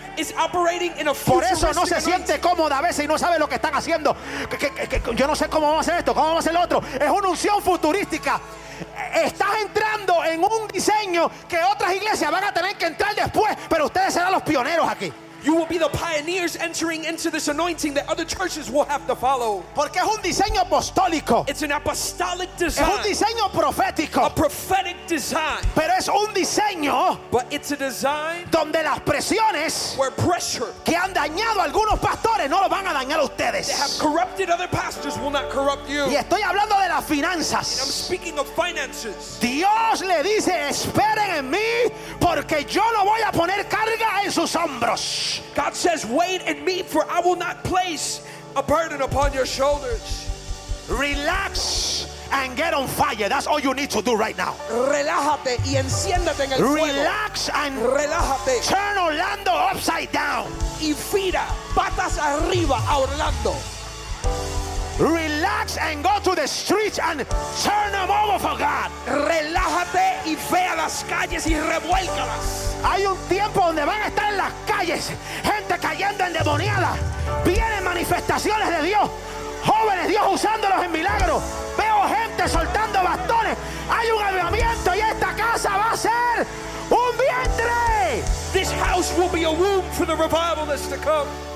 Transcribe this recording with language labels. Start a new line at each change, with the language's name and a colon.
English: is operating in a futuristic mindset.
Spanish: Por eso no se siente cómoda a veces y no sabe lo que están haciendo. Yo no sé cómo vamos a hacer esto, cómo vamos a hacer lo otro. Es una unción futurística. Estás entrando en un diseño que otras iglesias van a tener que entrar después, pero ustedes serán los pioneros aquí.
English: You will be the pioneers entering into this anointing that other churches will have to follow.
Spanish: Porque es un diseño apostólico.
English: It's an apostolic design.
Spanish: Es un diseño profético.
English: A prophetic design.
Spanish: Pero es un diseño.
English: But it's a design.
Spanish: Donde las presiones.
English: Where pressure.
Spanish: Que han dañado a algunos pastores no lo van a dañar a ustedes.
English: That have corrupted other pastors will not corrupt you.
Spanish: Y estoy hablando de las finanzas.
English: And I'm speaking of finances.
Spanish: Dios le dice, esperen en mí porque yo no voy a poner carga en sus hombros.
English: God says, wait in me, for I will not place a burden upon your shoulders. Relax and get on fire. That's all you need to do right now.
Spanish: Relájate y enciéndete en el fuego.
English: Relax and
Spanish: relájate.
English: Turn Orlando upside down.
Spanish: Y gira patas arriba a Orlando.
English: Relax and go to the streets and turn them over for God.
Spanish: Relájate y ve a las calles y revuélcalas. Hay un tiempo donde van a estar en las calles gente cayendo endemoniada. Vienen manifestaciones de Dios, jóvenes, Dios usándolos en milagros. Veo gente soltando bastones. Hay un avivamiento y esta casa va a ser un vientre.
English: This house will be a womb for the revival that's to come.